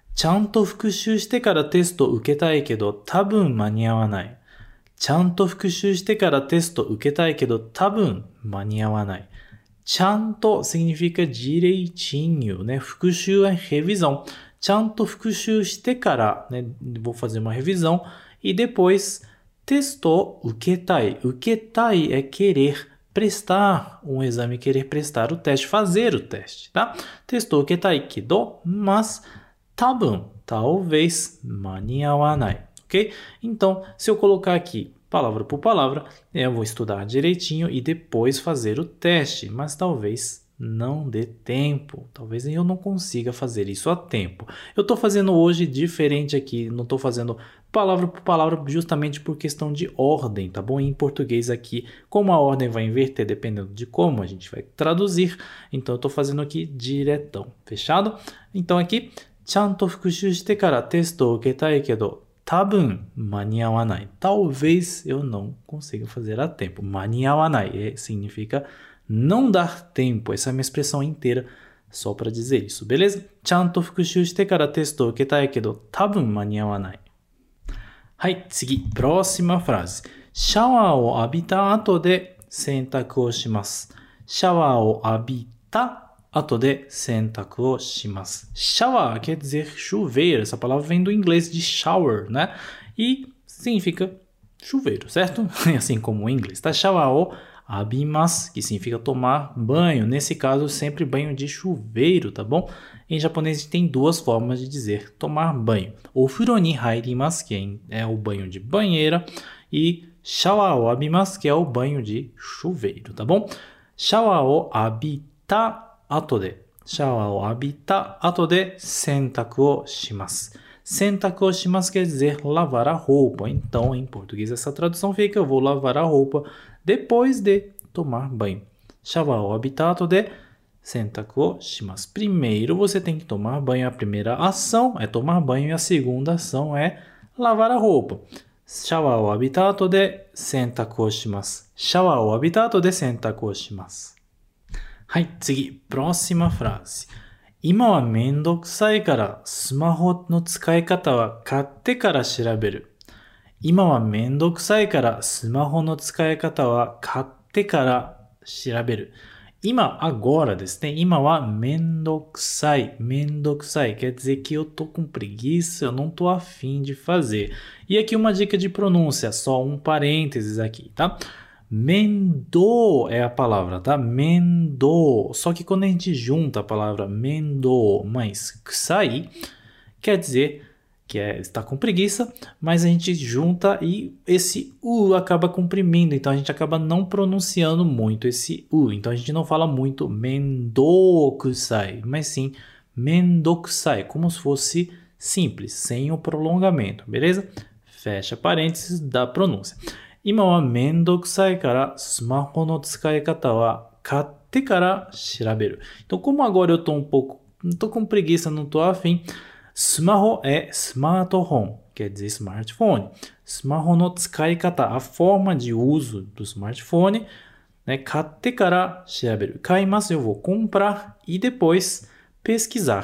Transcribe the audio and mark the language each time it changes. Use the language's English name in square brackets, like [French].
[Japanese] ちゃんと復習してからテスト受けたいけど多分間に合わない。ちゃんと復習してからテスト受けたいけど多分間に合わない。 [Portuguese] ちゃんと significa direitinho, né? 復習は revisão. [Japanese] ちゃんと復習してから、ね、 [Portuguese] vou fazer uma revisão. E depois, [Japanese] テストを受けたい。 [Portuguese] 受けたい é querer prestar um exame, querer prestar o teste, fazer o teste, tá? [Japanese] テストを受けたいけど、 [Portuguese] mas [Japanese] tabun, [Portuguese] talvez, [Japanese] maniawanai, ok? [Portuguese] Então, se eu colocar aqui palavra por palavra, eu vou estudar direitinho e depois fazer o teste, mas talvez não dê tempo, talvez eu não consiga fazer isso a tempo. Eu estou fazendo hoje diferente aqui, não estou fazendo palavra por palavra justamente por questão de ordem, tá bom? Em português aqui, como a ordem vai inverter dependendo de como a gente vai traduzir, então eu estou fazendo aqui diretão, fechado? Então aqui, [Japanese] ちゃんと復習してからテストを受けたいけど、多分間に合わない。 [Portuguese] Talvez eu não consiga fazer a tempo. [Japanese] 間に合わない。 [Portuguese] significa não dar tempo. Essa é a minha expressão inteira só para dizer isso, beleza? [Japanese] ちゃんと復習してからテストを受けたいけど、多分間に合わない。はい、次。 [Portuguese] próxima frase。 [Japanese] シャワーを浴びた後で洗濯をします。シャワーを浴びた後で洗濯をします。 [Portuguese] シャワー quer dizer chuveiro. Essa palavra vem do inglês de shower, né? E significa chuveiro, certo? Assim como o inglês, tá? [Japanese] Shower を浴びます, [Portuguese] que significa tomar banho. Nesse caso, sempre banho de chuveiro, tá bom? Em japonês, tem duas formas de dizer tomar banho. O [Japanese] furo ni hairimasu, [Portuguese] que é o banho de banheira. E [Japanese] shower を浴びます, [Portuguese] que é o banho de chuveiro, tá bom? [Japanese] Shower を浴びた後で、シャワーを浴びた後で洗濯をします。洗濯をします [Portuguese] quer dizer lavar a roupa. Então, em português, essa tradução fica: eu vou lavar a roupa depois de tomar banho. [Japanese] シャワーを浴びた後で洗濯をします。 [Portuguese] Primeiro, você tem que tomar banho. A primeira ação é tomar banho e a segunda ação é lavar a roupa. [Japanese] シャワーを浴びた後で洗濯をします。シャワーを浴びた後で洗濯をします。はい、次。 [Portuguese] próxima frase。 [Japanese] 今はめんどくさいから、スマホの使い方は買ってから調べる。今はめんどくさいから、スマホの使い方は買ってから調べる。今、 [Portuguese] agora [Japanese] ですね。今はめんどくさい。めんどくさい。 [Portuguese] quer dizer que eu tô com preguiça, eu não tô a fim de fazer. E aqui uma dica de pronúncia, só um parênteses aqui, tá? Mendo é a palavra, tá? Mendo. Só que quando a gente junta a palavra mendo mais ksai, quer dizer que está com preguiça, mas a gente junta e esse u acaba comprimindo, então a gente acaba não pronunciando muito esse u. Então a gente não fala muito mendo ksai, mas sim mendo ksai, como se fosse simples, sem o prolongamento, beleza? Fecha parênteses da pronúncia. [Japanese] 今はめんどくさいから、スマホの使い方は買ってから調べる。 [Portuguese] Então, como agora eu tô com preguiça, não tô a fim. スマホ é smartphone, quer dizer smartphone. [Japanese] スマホの使い方、 [Portuguese] a forma de uso do smartphone, né? [Japanese] 買ってから調べる。買います、 [Portuguese] eu vou comprar, e depois pesquisar.